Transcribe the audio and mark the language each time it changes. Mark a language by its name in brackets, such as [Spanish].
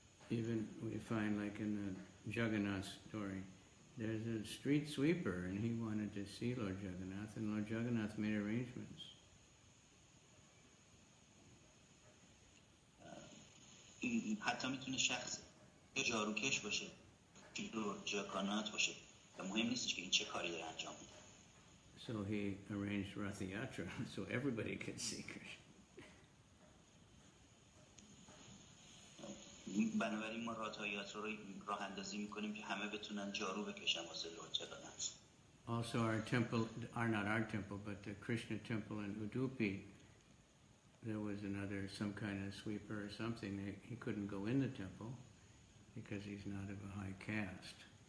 [English] Even we find, like in the Jagannath story, there's a street sweeper and he wanted to see Lord Jagannath, and Lord Jagannath made arrangements. [Persian] حتی میتونه شخص جاروکش باشه، جاکانات باشه، مهم نیستش که این چه کاری داره انجام میده. [English] So he arranged Rath Yatra so everybody could see Krishna. [Persian] بنابراین ما Rath Yatra رو راه اندازی میکنیم که همه بتونن جارو بکشن واسه لرد جاکانات. [English] Also our temple, or not our temple, but the Krishna temple in Udupi, there was another, some kind of sweeper or something, he couldn't go in the temple because he's not of a high caste.